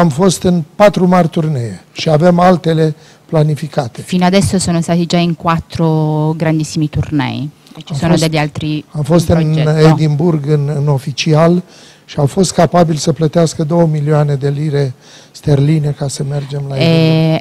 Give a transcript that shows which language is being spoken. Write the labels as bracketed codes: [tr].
[ro] am fost în patru mari turnee și avem altele planificate. [it] Fino adesso sono stati già in quattro grandissimi tornei e ci sono degli altri in [ro] Am fost în [it] progetto. [ro] Edimburg, în oficial, și au fost capabili să plătească 2 milioane de lire sterline ca să mergem la Edimburg.